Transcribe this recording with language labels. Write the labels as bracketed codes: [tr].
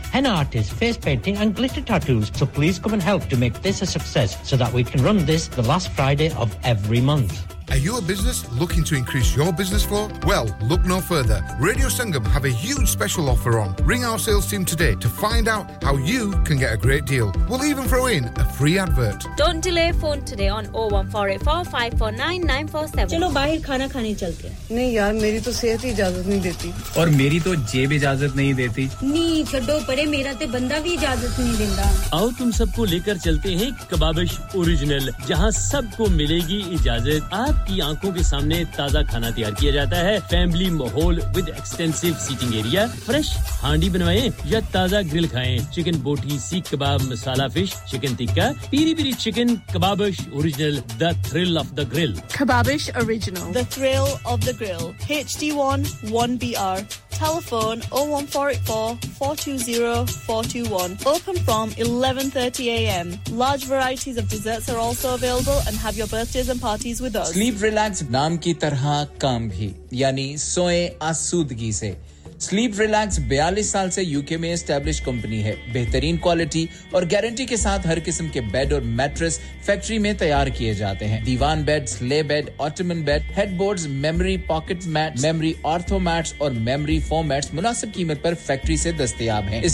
[en] Henna artists, face painting and glitter tattoos. So please come and help to make this a success so that we can run this the last Friday of every month. Are you a business looking to increase your business flow? Well, look no further. Radio Sangam have a huge special offer on. Ring our sales team today to find out how you can get a great deal. We'll even throw in a free advert. Don't delay, phone today on 01484549947. [hi] चलो बाहर खाना खाने चलते हैं। नहीं यार, मेरी तो सेहत ही इजाजत नहीं देती। और मेरी तो जेब इजाजत नहीं देती। नहीं छोड़ो, बड़े मेरा तो बंदा भी इजाजत नहीं देता। आओ तुम सबको लेकर चलते हैं कबाबिश ओरिजिनल, जहां सबको मिलेगी इजाजत। आपकी आंखों के सामने ताजा खाना तैयार किया जाता है, फैमिली माहौल [en] with extensive seating area, [hi] fresh हांडी बनवाएं या ताजा ग्रिल खाएं, चिकन बोटी, सीख कबाब, मसाला fish, chicken tikka, Piri Piri chicken, Kababish original, [en] The thrill of the grill, Kababish original, the thrill of the grill, HD1 1BR, telephone 01484420421, open from 11:30 a.m. Large varieties of desserts are also available and have your birthdays and parties with us. [hi] Sleep relax नाम की तरह काम भी, यानी सोए आसूदगी से। Sleep relax 42 साल से यूके में एस्टैब्लिश कंपनी है। बेहतरीन क्वालिटी और गारंटी के साथ हर किस्म के बेड और मैट्रेस फैक्ट्री में तैयार किए जाते हैं। दीवान bed, slay bed, Ottoman bed, headboards, memory pocket mats, memory ortho mats और मेमोरी फोम मैट्स मुनासिब कीमत पर फैक्ट्री से दस्तयाब हैं।